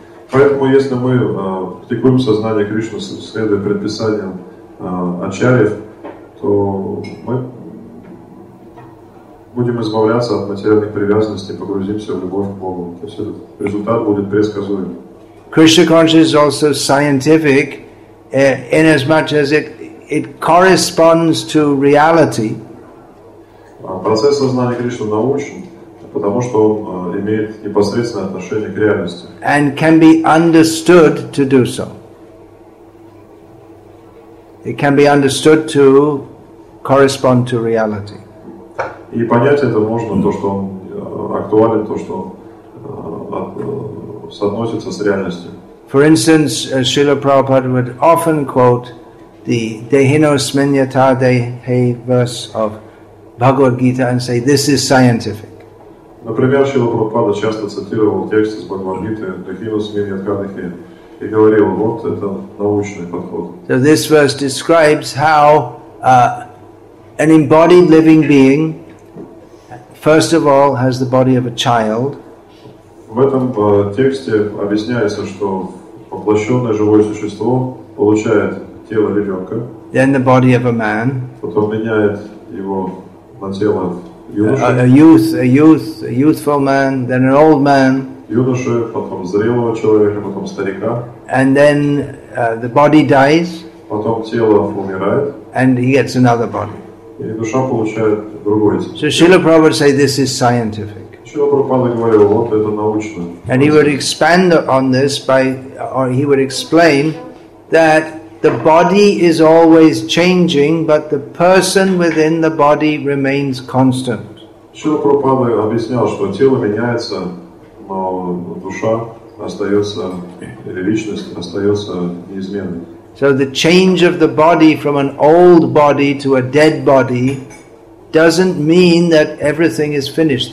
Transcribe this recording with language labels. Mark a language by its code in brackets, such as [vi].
[ru] Поэтому если мы практикуем сознание Кришны, следуя предписаниям ачарьев, то мы будем избавляться от материальных привязанностей, погрузимся в любовь к Богу. То есть этот результат будет предсказуем. [en] Krishna consciousness is also scientific in as much as it corresponds to reality. [ru] Процесс сознания Кришны научен, потому что он имеет непосредственное отношение к реальности. [en] And can be understood to do so. It can be understood to correspond to reality. [ru] И понять это можно, то, что он актуален, то, что соотносится с реальностью. [en] For instance, Srila Prabhupada would often quote the Dehino Smenyata Dehe verse of Bhagavad Gita and say, this is scientific. [ru] Например, Srila Prabhupada часто цитировал текст из Бхагавад Гиты Dehino Smenyata Dehe и говорил, вот это научный подход. [en] So this verse describes how an embodied living being first of all has the body of a child. [ru] В этом тексте объясняется, что воплощенное живое существо получает тело ребенка. [en] Then the body of a man. [ru] Потом меняет его на тело юноши. [en] A youthful man, then an old man. [ru] Юноши, потом зрелого человека, потом старика. [en] And then the body dies. [ru] Потом тело умирает. [en] And he gets another body. [ru] И душа получает другое тело. [en] So Srila Prabhupada say this is scientific. And he would expand on this or he would explain that the body is always changing, but the person within the body remains constant. [ru] Srila Prabhupada объяснял, что тело меняется, но душа остается, или личность остается неизменной. [en] So the change of the body from an old body to a dead body doesn't mean that everything is finished.